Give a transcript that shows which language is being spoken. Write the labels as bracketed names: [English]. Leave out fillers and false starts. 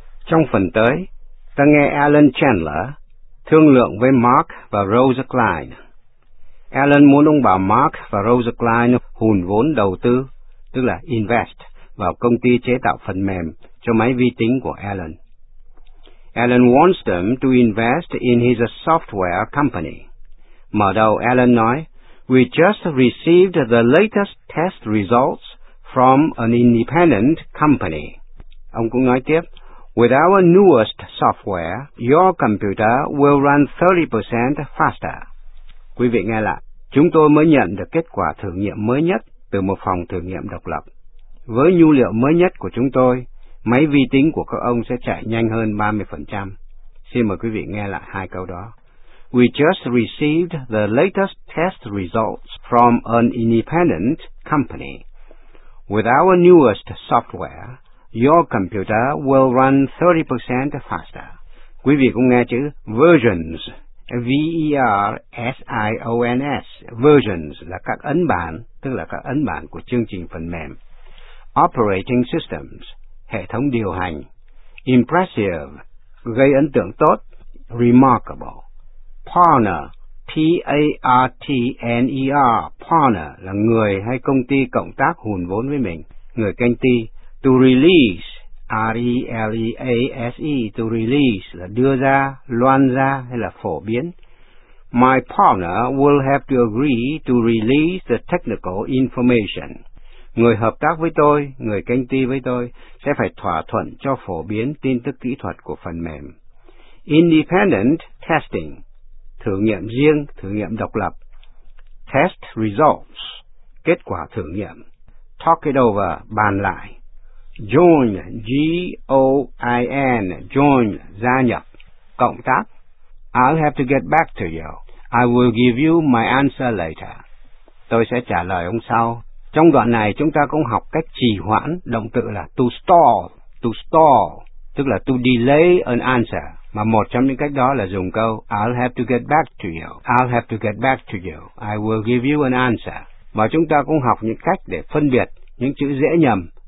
[Vietnamese] Trong phần tới, ta nghe Alan Chandler thương lượng với Mark và Rosa Klein. Alan muốn ông bà Mark và Rosa Klein hùn vốn đầu tư, tức là invest, vào công ty chế tạo phần mềm cho máy vi tính của Alan. [English] Alan wants them to invest in his software company. [Vietnamese] Mở đầu Alan nói, [English] "We just received the latest test results from an independent company." [Vietnamese] Ông cũng nói tiếp, [English] "With our newest software, your computer will run 30% faster." [Vietnamese] Quý vị nghe lại, chúng tôi mới nhận được kết quả thử nghiệm mới nhất từ một phòng thử nghiệm độc lập. Với nhu liệu mới nhất của chúng tôi, máy vi tính của các ông sẽ chạy nhanh hơn 30%. Xin mời quý vị nghe lại hai câu đó. [English] We just received the latest test results from an independent company. With our newest software, your computer will run 30% faster. [Vietnamese] Quý vị cũng nghe chữ versions, V-E-R-S-I-O-N-S. Versions là các ấn bản, tức là các ấn bản của chương trình phần mềm. Operating systems, hệ thống điều hành. Impressive, gây ấn tượng tốt. Remarkable. [English] Partner, P-A-R-T-N-E-R. [Vietnamese] Partner là người hay công ty cộng tác hùn vốn với mình, người canh ti. To release, R-E-L-E-A-S-E, to release là đưa ra, loan ra hay là phổ biến. [English] My partner will have to agree to release the technical information. [Vietnamese] Người hợp tác với tôi, người canh ti với tôi, sẽ phải thỏa thuận cho phổ biến tin tức kỹ thuật của phần mềm. Independent testing, thử nghiệm riêng, thử nghiệm độc lập. Test results, kết quả thử nghiệm. Talk it over, bàn lại. Join, G-O-I-N, join, gia nhập, cộng tác. [English] I'll have to get back to you. I will give you my answer later. [Vietnamese] Tôi sẽ trả lời ông sau. Trong đoạn này chúng ta cũng học cách trì hoãn, động từ là to stall, tức là [English] to delay an answer. [Vietnamese] Mà một trong những cách đó là dùng câu [English] I'll have to get back to you, I'll have to get back to you, I will give you an answer. [Vietnamese] Và chúng ta cũng học những cách để phân biệt những chữ dễ nhầm.